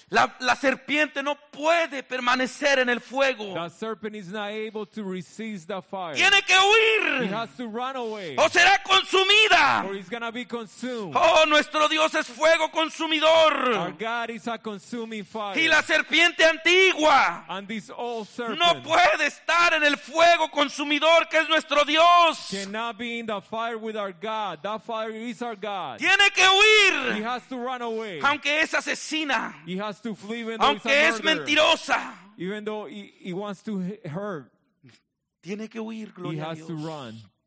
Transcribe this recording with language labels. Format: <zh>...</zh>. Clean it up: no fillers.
<es>la serpiente no puede permanecer en el fuego.</es> <en>The serpent is not able to resist the fire.</en> <es>Tiene que huir.</es> <en>He has to run away.</en> <es>O será consumida.</es> <en>Or he's gonna be consumed.</en> <es>Oh, nuestro Dios es fuego consumidor.</es> <en>Our God is a consumer.</en> <es>Y la serpiente antigua,</es> <en>and this old serpent,</en> <es>no puede estar en el fuego consumidor que es nuestro Dios.</es> <en>Cannot be in the fire with our God. That fire is our God.</en> <es>Tiene que huir.</es> <en>He has to run away.</en> <es>Aunque es asesina.</es> <en>He has to flee. Even</en> <es>aunque</es> <en>though</en> <es>es mentirosa.</es> <en>Even though he wants to hurt.</en> <es>Tiene que huir, gloria a Dios.</es> <en>He has to run.</en>